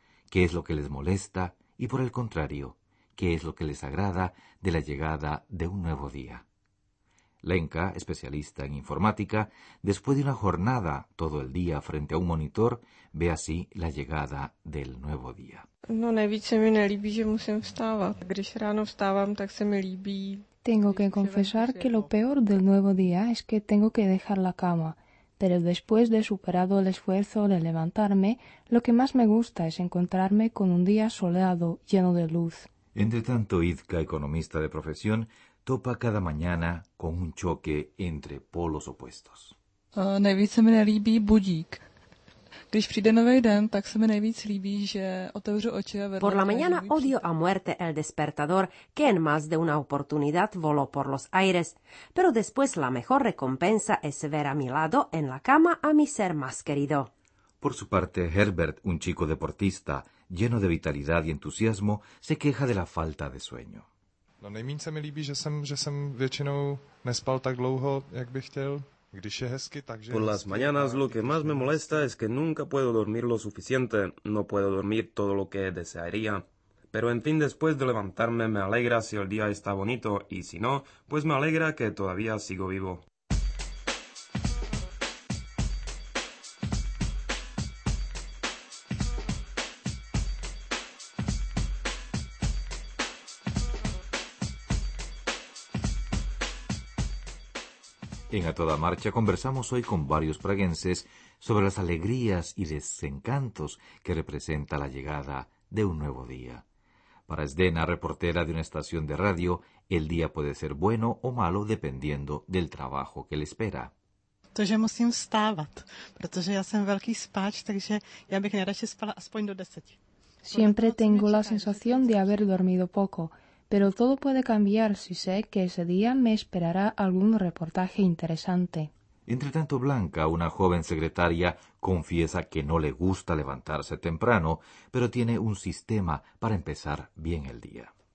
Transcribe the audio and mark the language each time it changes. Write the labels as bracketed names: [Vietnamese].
[Spanish] ¿Qué es lo que les molesta y por el contrario? ¿Qué es lo que les agrada de la llegada de un nuevo día? Lenka, especialista en informática, después de una jornada todo el día frente a un monitor, ve así la llegada del nuevo día. [Czech] No, nejvíc se mi nelíbí, že musím vstávat. Když ráno vstávám, tak se mi líbí. [Spanish] Tengo que confesar que lo peor del nuevo día es que tengo que dejar la cama. Pero después de superado el esfuerzo de levantarme, lo que más me gusta es encontrarme con un día soleado, lleno de luz. Entre tanto, Izka, economista de profesión, topa cada mañana con un choque entre polos opuestos. [Czech] Nejvíc se mi nelíbí budík. Když přijde novej den, tak se mi nejvíc líbí, že otevřu oči a vedle. [Spanish] Por la mañana odio a muerte el despertador, que en más de una oportunidad voló por los aires. Pero después la mejor recompensa es ver a mi lado en la cama a mi ser más querido. Por su parte, Herbert, un chico deportista, lleno de vitalidad y entusiasmo, se queja de la falta de sueño. [Czech] No, nejmín se mi líbí, že jsem většinou nespal tak dlouho, jak bych chtěl. [Spanish] Por las mañanas lo que más me molesta es que nunca puedo dormir lo suficiente, no puedo dormir todo lo que desearía. Pero en fin, después de levantarme me alegra si el día está bonito y si no, pues me alegra que todavía sigo vivo. En A Toda Marcha conversamos hoy con varios praguenses sobre las alegrías y desencantos que representa la llegada de un nuevo día. Para Sdena, reportera de una estación de radio, el día puede ser bueno o malo dependiendo del trabajo que le espera. [Czech] To, že musím vstávat, protože já jsem velký spáč, takže já bych nejradši spala aspoň do 10. [Spanish] Siempre tengo la sensación de haber dormido poco. Pero todo puede cambiar si sé que ese día me esperará algún reportaje interesante. Entre tanto, Blanca, una joven secretaria, confiesa que no le gusta levantarse temprano, pero tiene un sistema para empezar bien el día.